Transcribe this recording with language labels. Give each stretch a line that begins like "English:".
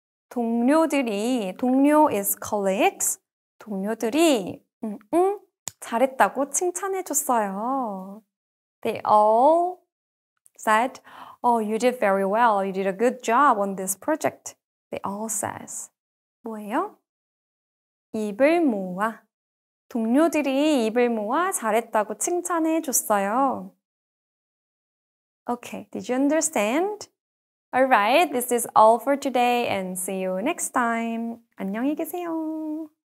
Korean: 동료들이, 동료
English: is colleagues,
Korean: 동료들이 잘했다고 칭찬해 줬어요.
English: They all said, oh, you did very well. You did a good job on this project. They all says.
Korean: 뭐예요? 입을 모아. 동료들이 입을 모아 잘했다고 칭찬해 줬어요.
English: Okay, did you understand? All right, this is all for today and see you next time.
Korean: 안녕히 계세요.